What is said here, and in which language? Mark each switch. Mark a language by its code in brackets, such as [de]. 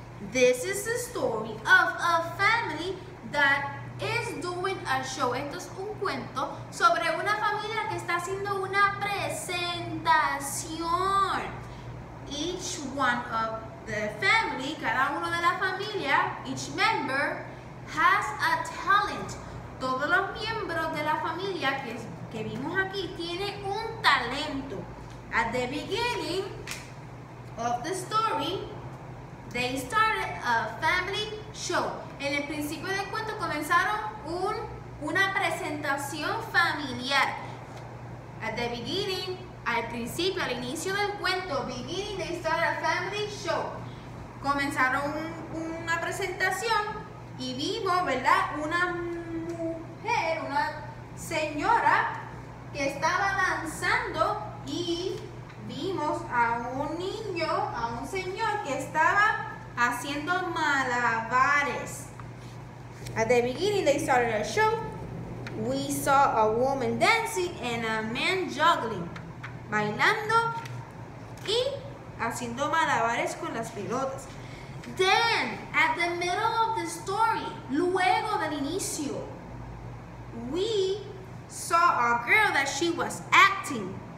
[en] This is the story of a family that is doing a show. [es] Esto es un cuento sobre una familia que está haciendo una presentación. [en] Each one of the family, [es] cada uno de la familia, [en] each member, has a talent. [es] Todos los miembros de la familia que vimos aquí tienen un talento. [en] At the beginning of the story, they started a family show. [es] En el principio del cuento comenzaron una presentación familiar. [en] At the beginning, [es] al principio, al inicio del cuento, [en] beginning, they started a family show. [es] Comenzaron una presentación y vimos, ¿verdad? Una mujer, una señora que estaba danzando y vimos a un niño, a un señor que estaba haciendo malabares. [en] At the beginning, they started a show. We saw a woman dancing and a man juggling. [es] Bailando y haciendo malabares con las pelotas. [en] Then, at the middle of the story, [es] luego del inicio, [en] we saw a girl that she was acting.